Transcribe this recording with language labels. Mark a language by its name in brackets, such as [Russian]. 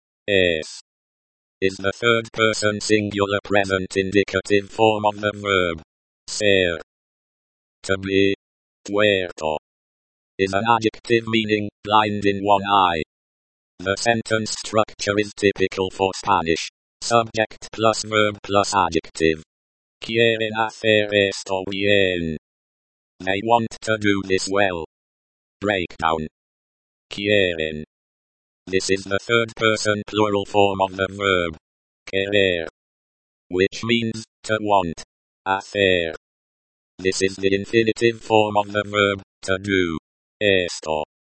[English] Es is the third person singular present indicative form of the verb ser. To be tuerto is an adjective meaning blind in one eye. The sentence structure is typical for Spanish. Subject plus verb plus adjective. [Spanish] Quieren hacer esto bien. [English] They want to do this well. Breakdown. Quieren. This is the third person plural form of the verb querer, which means to want. Hacer. This is the infinitive form of the verb to do. Esto.